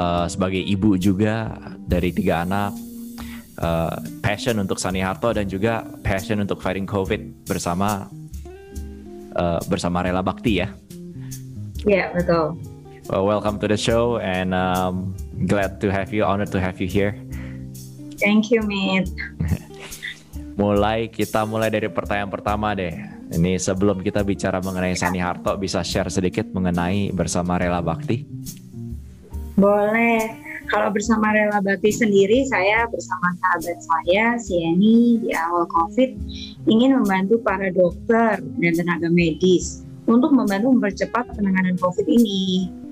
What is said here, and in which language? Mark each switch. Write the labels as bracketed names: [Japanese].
[Indonesian] Sebagai ibu juga dari tiga anak, passion untuk Sunny Harto dan juga passion untuk fighting COVID bersama bersama Rela Bakti ya. Yeah, betul. [English] Well, welcome to the show and glad to have you, honored to have you here. Thank you, Mit. [Indonesian] kita mulai dari pertanyaan pertama deh. Ini sebelum kita bicara mengenai Sunny Harto, bisa share sedikit mengenai bersama Rela Bakti? Boleh. Kalau bersama Rela Bakti sendiri, saya bersama sahabat saya, Sieni, di awal COVID, ingin membantu para dokter dan tenaga medis untuk membantu mempercepat penanganan COVID ini.